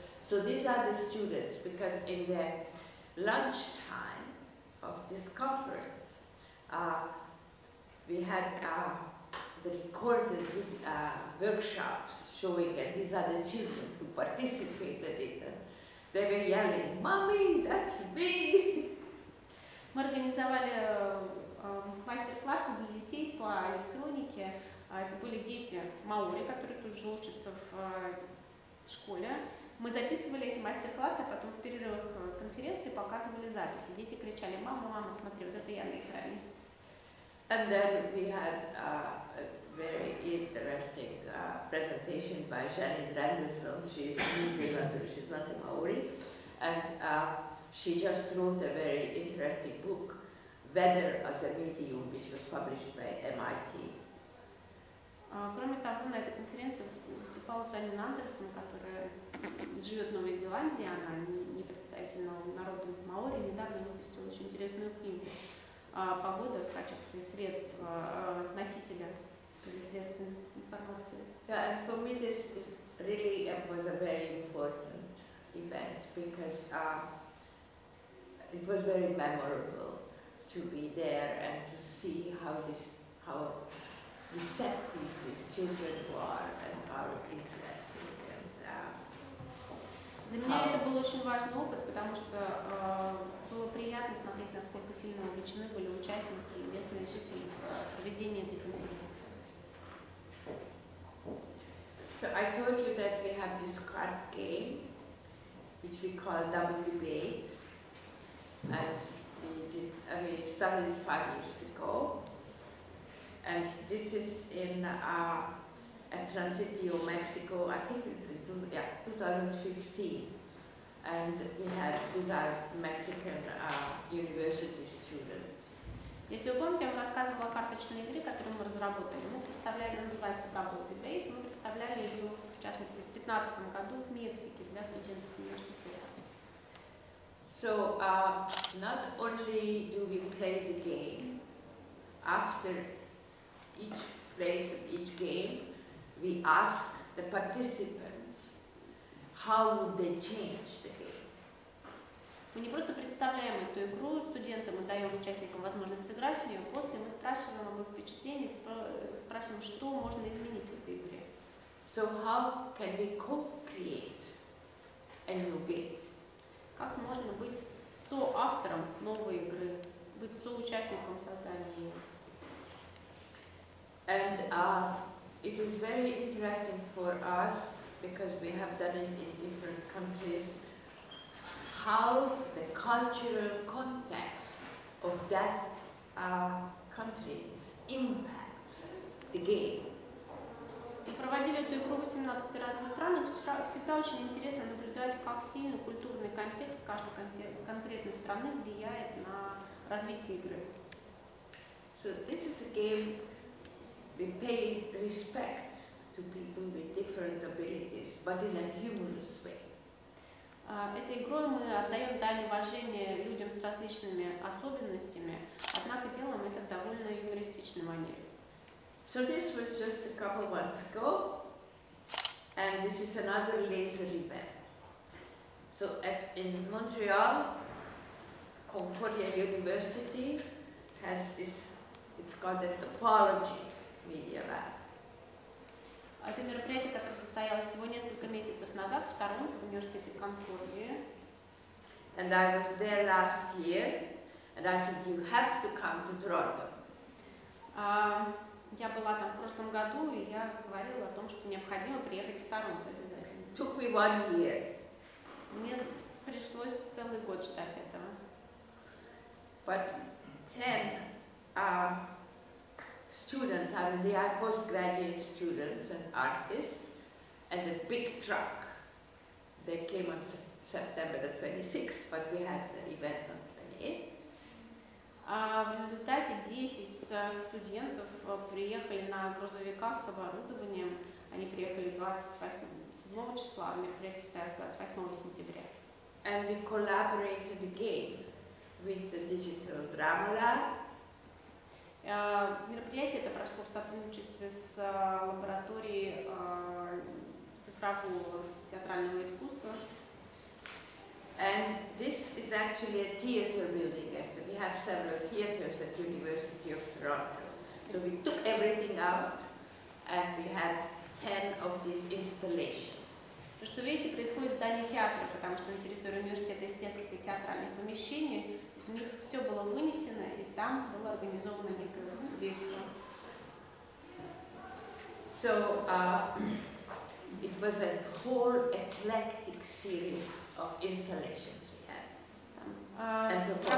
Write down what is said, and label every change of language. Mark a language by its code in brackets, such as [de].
[en] So these are the students, because in their lunchtime of this conference, we had the recorded workshops showing, and these are the children who participated in them. They were yelling, "Mommy, that's me!" [ru] Мы организовали мастер-классы для детей по электронике. Это были дети Маори, которые тут же учатся в школе. Мы записывали эти мастер-классы, а потом в перерывах конференции показывали записи. Дети кричали: "Мама, мама, смотри, вот это я на экране". [en] And then we had a very interesting presentation by Janet Randerson. She is New Zealander, she's not a Maori. And she just wrote a very interesting book, Weather as a Medium, which was published by MIT. [ru] Кроме того, на этой конференции выступала Жанин Андерсон, которая живет в Новой Зеландии, она не представитель народа Маори, недавно выпустила очень интересную книгу. погоды в качестве средства носителя известной информации. [en] Yeah, for me this is really was a very important event because it was very memorable to be there and to see how this how receptive these children were and how interested and [ru] для меня это был очень важный опыт, потому что было приятно смотреть, насколько сильно увлечены были участники и местные жители в проведении этой конференции. [en] So I told you that we have this card game, which we call double debate, and we started it 5 years ago, and this is in at Transitio, Mexico, I think it's 2015. And we had these are Mexican university students. [ru] Если вы помните, я вам рассказывала о карточной игре, которую мы разработали. Мы представляли, называется Double Debate, мы представляли ее, в частности, в 2015 году в Мексике для студентов университета. [en] So not only do we play the game, after each place of each game, we ask the participants how would they change the [ru] мы не просто представляем эту игру студентам, мы даем участникам возможность сыграть в нее. После мы спрашиваем их впечатления, спрашиваем, что можно изменить в этой игре. [en] So how can we co-create a new game? [ru] Как можно быть соавтором новой игры, быть соучастником создания ее? [en] And it is very interesting for us because we have done it in different countries. How the cultural context of that country impacts the game. [ru] Мы проводили эту игру в 18 разных странах. Всегда очень интересно наблюдать, как сильно культурный контекст каждой конкретной страны влияет на развитие игры. [en] So this is a game we pay respect to people with different abilities, but in a humorous way. [ru] Этой игрой мы отдаем дань уважения людям с различными особенностями, однако делаем это в довольно юмористичной манере. [en] So this was just a couple months ago, and this is another laser event. So in Montreal, Concordia University has this, it's called a topology media lab. [ru] Это мероприятие, которое состоялось всего несколько месяцев назад в Торонто, в университете Конкордии. [en] And I was there last year, and I said, you have to come to Toronto. [ru] Я была там в прошлом году, и я говорила о том, что необходимо приехать в Торонто обязательно. [en] Took me 1 year. [ru] Мне пришлось целый год ждать этого. [en] But 10 students, I mean they are postgraduate students and artists, and a big truck. They came on September 26th, but we had the event on 28th. [ru] В результате 10 студентов приехали на грузовиках с оборудованием. Они приехали 27 числа, а мероприятие состоялось 28 сентября. [en] And we collaborated again with the Digital Drama Lab. [ru] Мероприятие это прошло в сотрудничестве с лабораторией цифрового театрального искусства. [en] And this is actually a theater building. After we have several theaters at University of Toronto, so we took everything out and we had 10 of these installations. [ru] То, что видите, происходит в здании театра, потому что на территории университета есть несколько театральных помещений. У них все было вынесено, и там было организовано некое действие. [en] So it was a whole eclectic series of installations we had.